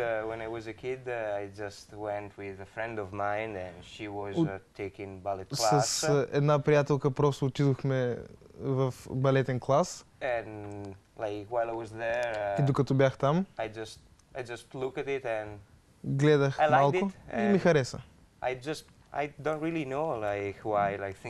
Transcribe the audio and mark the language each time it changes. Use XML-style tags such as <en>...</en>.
<en>Kid, when I was a kid, I just went with a friend of mine and she was taking ballet class.</en> <bg>С една приятелка просто отидохме в балетен клас.</bg> <en>And like while I was there,</en> <bg>И докато бях там,</bg> <en>I just looked at it and</en> <bg>гледах малко и ми хареса.</bg> <en>I don't really know like why like think</en>